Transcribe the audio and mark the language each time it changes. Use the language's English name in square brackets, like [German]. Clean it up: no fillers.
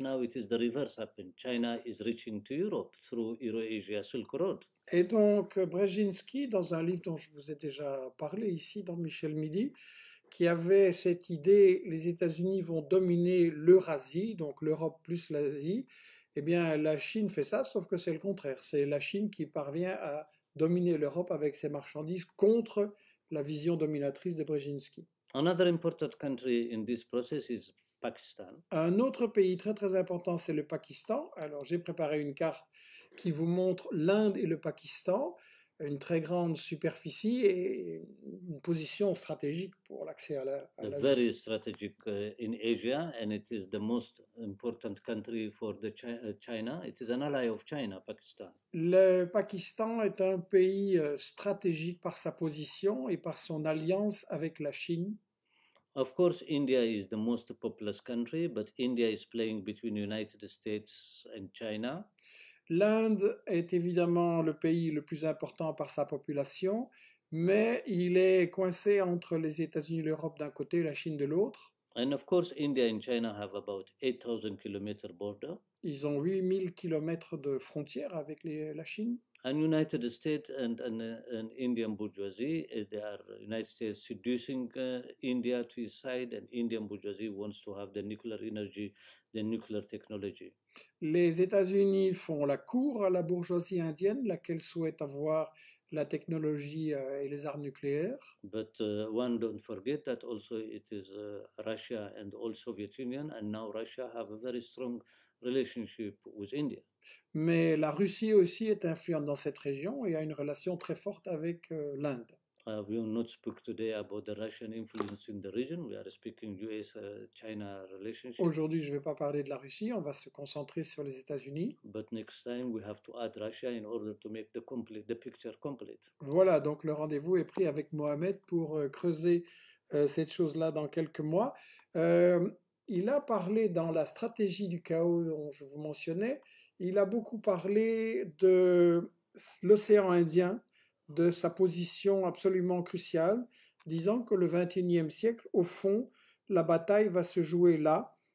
[English] Now it is the reverse happened. China is reaching to Europe through Euro-Asia Silk Road. [French] Et donc Brzezinski, dans un livre dont je vous ai déjà parlé ici dans Michel Midi, qui avait cette idée, les États-Unis vont dominer l'Eurasie, donc l'Europe plus l'Asie. Eh bien, la Chine fait ça, sauf que c'est le contraire. C'est la Chine qui parvient à dominer l'Europe avec ses marchandises contre la vision dominatrice de Brzezinski. [English] Another important country in this process is Pakistan. [French] Un autre pays très très important, c'est le Pakistan. Alors j'ai préparé une carte qui vous montre l'Inde et le Pakistan, une très grande superficie et une position stratégique pour l'accès à l'Asie. [English] Very strategic in Asia, and it is the most important country for the China. It is an ally of China, Pakistan. [French] Le Pakistan est un pays stratégique par sa position et par son alliance avec la Chine. [English] Of course, India is the most populous country, but India is playing between United States and China. [French] L'Inde est évidemment le pays le plus important par sa population, mais il est coincé entre les États-Unis et l'Europe d'un côté et la Chine de l'autre. [English] And of course, India and China have about 8,000 km border. [French] Ils ont 8,000 km de frontière avec la Chine. [English] And United States and Indian bourgeoisie, they are United States seducing India to its side, and Indian bourgeoisie wants to have the nuclear energy, the nuclear technology. [French] Les États-Unis font la cour à la bourgeoisie indienne, laquelle souhaite avoir la technologie et les armes nucléaires. [English] But one don't forget that also it is Russia and all Soviet Union, and now Russia have a very strong relationship with India. [French] Mais la Russie aussi est influente dans cette région et a une relation très forte avec l'Inde. [English] We have not spoken today about the Russian influence in the region. We are speaking US-China relationship. [French] Aujourd'hui, je ne vais pas parler de la Russie. On va se concentrer sur les États-Unis. [English] But next time, we have to add Russia in order to make the picture complete. [French] Voilà, donc le rendez-vous est pris avec Mohamed pour creuser cette chose-là dans quelques mois. Il a parlé dans la stratégie du chaos dont je vous mentionnais. Il a beaucoup parlé de l'océan Indien, de sa position absolument cruciale, disant que le 21e siècle, au fond, la bataille va se jouer là.